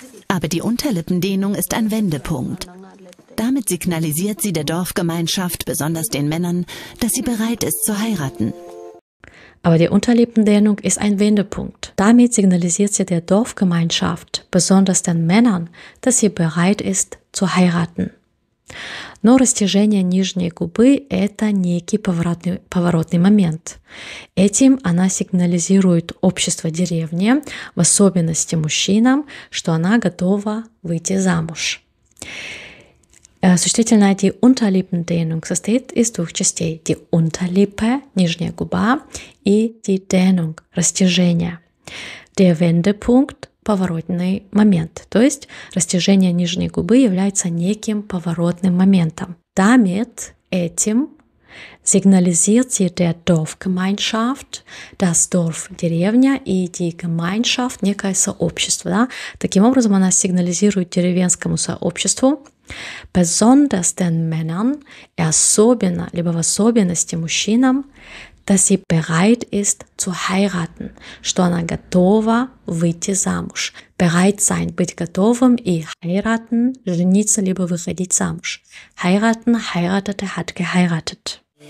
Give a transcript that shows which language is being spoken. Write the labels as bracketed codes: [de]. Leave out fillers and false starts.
[de] Aber die Unterlippendehnung ist ein Wendepunkt. Damit signalisiert sie der Dorfgemeinschaft, besonders den Männern, dass sie bereit ist zu heiraten. Aber die Unterlippendehnung ist ein Wendepunkt. Damit signalisiert sie der Dorfgemeinschaft, besonders den Männern, dass sie bereit ist zu heiraten. [ru] Но растяжение нижней губы – это некий поворотный момент. Этим она сигнализирует общество деревни, в особенности мужчинам, что она готова выйти замуж. Существительное die Unterlippendehnung состоит из двух частей. Die Unterlippe – нижняя губа, и die Dehnung – растяжение. Der Wendepunkt – поворотный момент. То есть растяжение нижней губы является неким поворотным моментом. [de] Damit, этим, signalisiert sie der Dorfgemeinschaft, das Dorf, деревня, и die Gemeinschaft, некое сообщество. [ru] Да? Таким образом, она сигнализирует деревенскому сообществу, [de] besonders den Männern, [ru] особенно, либо в особенности мужчинам, [de] dass sie bereit ist zu heiraten, [ru] что она готова выйти замуж. Bereit sein, быть готовым, и heiraten, жениться, либо выходить замуж. [de] Heiraten, heiratete, hat geheiratet.